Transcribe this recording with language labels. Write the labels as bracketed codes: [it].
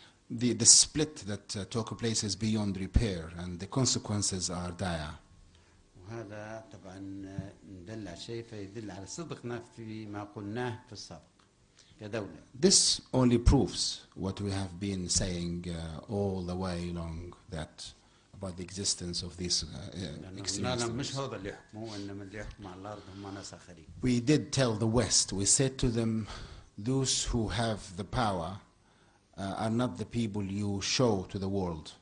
[en] The split that took place is beyond repair, and the consequences are dire. وها [ar] هذا طبعا دل على شيء فيدل على صدقنا في ما قلناه في السابق كدولة. [en] This only proves what we have been saying all the way along that about the existence of these extremists. We did tell the West, we said to them, those who have the power are not the people you show to the world.